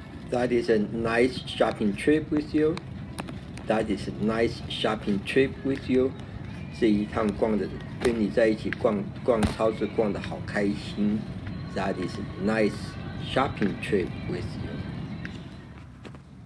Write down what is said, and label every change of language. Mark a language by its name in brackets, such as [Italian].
[English] That is a nice shopping trip with you. That is a nice shopping trip with you. [Chinese] 这一趟逛的跟你在一起逛逛超市逛的好开心。 [English] That is a nice shopping trip with you.